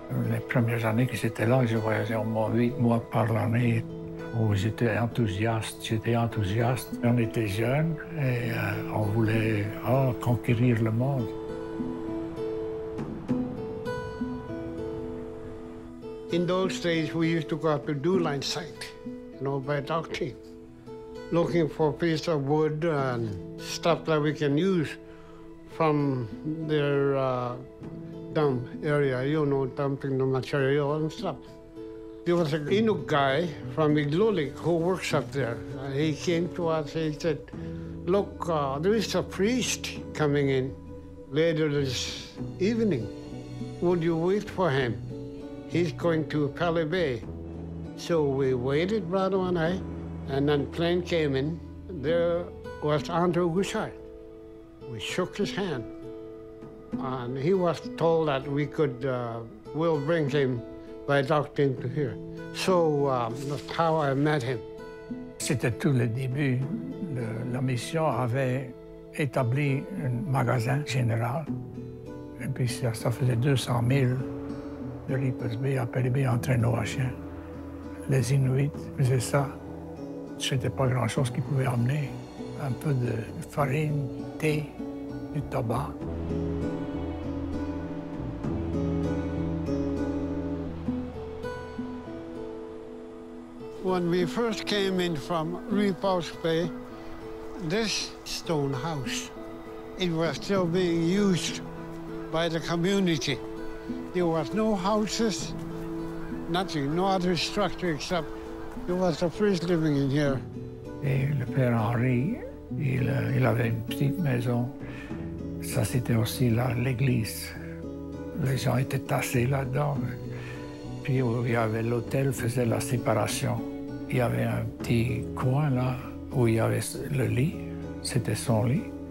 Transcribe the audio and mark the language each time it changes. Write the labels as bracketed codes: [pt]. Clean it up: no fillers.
[fr] Les premières années que j'étais là, je voyageais au moins 8 mois par l'année où j'étais enthousiaste. On était jeunes et on voulait conquérir le monde. [en] In those days, we used to go up to Dewline site, you know, by dog team, looking for a piece of wood and stuff that we can use from their dump area, you know, dumping the material and stuff. There was an Inuk guy from Iglulik who works up there. He came to us, he said, look, there is a priest coming in later this evening. Would you wait for him? He's going to Pali Bay. So we waited, brother and I, and then plane came in. There was Andrew Gushart. We shook his hand, and he was told that we could, we'll bring him by doctor to here. So that's how I met him. [fr] C'était tout le début. La mission avait établi un magasin général. Et puis ça faisait 200 000 de Leapers Bay à Pelibé entre nos chiens. Les Inuits faisaient ça. C'était pas grand-chose qu'ils pouvaient amener. Un peu de farine, thé, du tabac. [en] When we first came in from Repulse Bay, this stone house, it was still being used by the community. There was no houses, nothing, no other structure except there was a priest living in here. [fr] Et le père Henri, il avait une petite maison. Ça, c'était aussi là, l'église. Les gens étaient tassés là-dedans. Puis il y avait l'hôtel, faisait la séparation. Il y avait un petit coin là où il y avait le lit, c'était son lit.